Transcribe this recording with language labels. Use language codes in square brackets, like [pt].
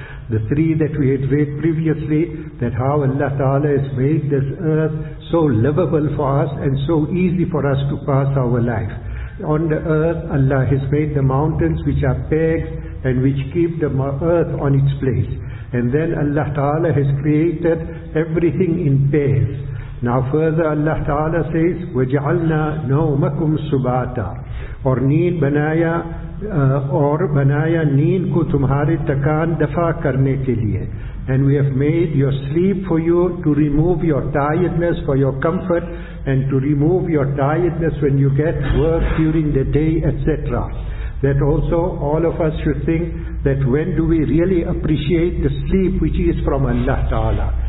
[en] The three that we had read previously, that how Allah Ta'ala has made this earth so livable for us and so easy for us to pass our life. On the earth, Allah has made the mountains which are pegs and which keep the earth on its place. And then Allah Ta'ala has created everything in pairs. [ur] Now further Allah Ta'ala says, [ar] وَجَعَلْنَا نَوْمَكُمْ سُبَاتًا وَرْنِينَ بَنَايَا [ur] اور بنایا نیند کو تمہارے تکان دفع کرنے کے لیے. [en] And we have made your sleep for you to remove your tiredness for your comfort and to remove your tiredness when you get work during the day, etc. That also all of us should think that when do we really appreciate the sleep which is from Allah Ta'ala.